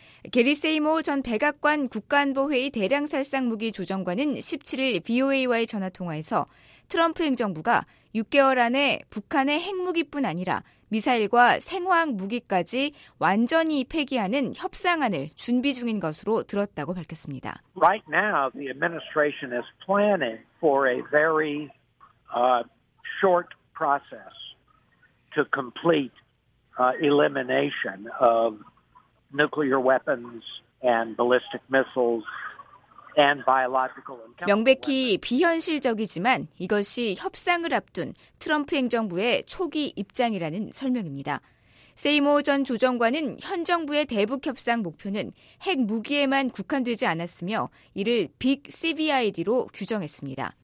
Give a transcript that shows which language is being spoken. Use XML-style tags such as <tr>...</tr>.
<ko>게리 세이모 전 백악관 국가안보회의 대량살상무기 조정관은 17일 VOA와의 전화통화에서 트럼프 행정부가 6개월 안에 북한의 핵무기뿐 아니라 미사일과 생화학 무기까지 완전히 폐기하는 협상안을 준비 중인 것으로 들었다고 밝혔습니다.</ko> <en>Right now, the administration is planning for a very short process to complete elimination of nuclear weapons and ballistic missiles.</en> <ko>명백히 비현실적이지만 이것이 협상을 앞둔 트럼프 행정부의 초기 입장이라는 설명입니다. 세이모 전 조정관은 현 정부의 대북 협상 목표는 핵 무기에만 국한되지 않았으며 이를 빅 CVID로 규정했습니다.</ko>